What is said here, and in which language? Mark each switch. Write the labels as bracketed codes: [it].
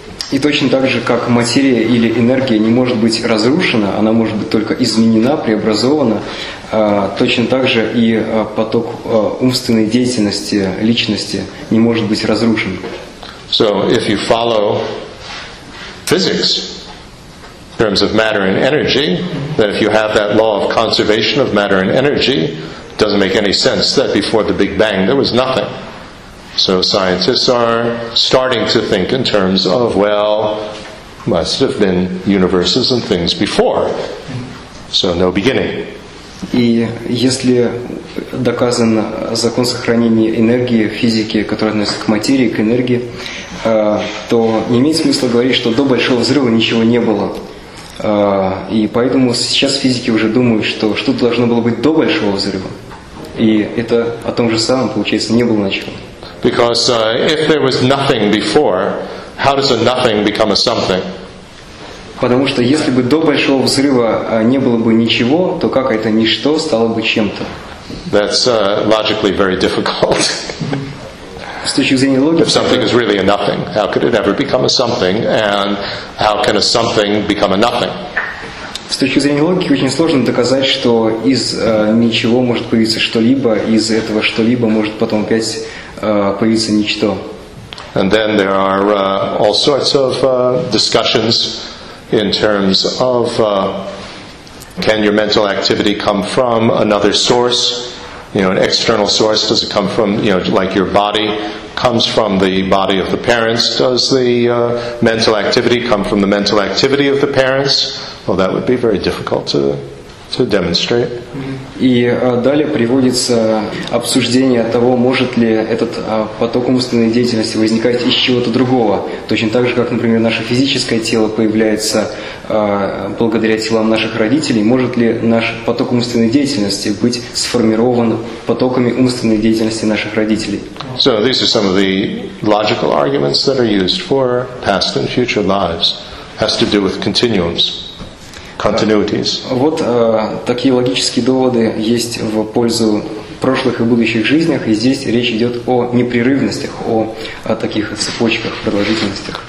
[ru] И точно так же, как материя или энергия не может быть разрушена, она может быть только изменена, преобразована, точно так же и поток умственной деятельности, личности не может быть разрушен. [en] So, if you follow physics in terms of matter and energy, then if you have that law of conservation of matter and energy, it doesn't make any sense that before the Big Bang there was nothing. So scientists are starting to think in terms of, well, must have been universes and things before. So no beginning. [ru] И если доказан закон сохранения энергии в физике, который относится к материи, к энергии, то не имеет смысла говорить, что до большого взрыва ничего не было. И поэтому сейчас физики уже думают, что что-то должно было быть до большого взрыва. И это о том же самом, получается, не было начала. [en] Because if there was nothing before, how does a nothing become a something? [ru] Потому что если бы до большого взрыва не было бы ничего, то как это ничто стало бы чем-то? [en] That's logically very difficult. [ru] С точки зрения логики. [en] If something is really a nothing, how could it ever become a something, and how can a something become a nothing? [ru] С точки зрения логики очень сложно доказать, что из ничего может появиться что-либо, из этого что-либо может потом опять появится ничто. [en] And then there are all sorts of discussions in terms of can your mental activity come from another source, you know, an external source? Does it come from, you know, like your body comes from the body of the parents? Does the mental activity come from the mental activity of the parents? Well, that would be very difficult to. To demonstrate. [ru] И далее приводится обсуждение того, может ли этот поток умственной деятельности возникать из чего-то другого. Точно так же, как, например, наше физическое тело появляется благодаря телам наших родителей, может ли наш поток умственной деятельности быть сформирован потоками умственной деятельности наших родителей. [en] So these are some of the logical arguments that are used for past and future lives. It has to do with continuums. Continuities. [ru] Вот такие логические доводы есть в пользу прошлых и будущих жизнях, и здесь речь идет о непрерывностях, о таких цепочках, продолжительностях.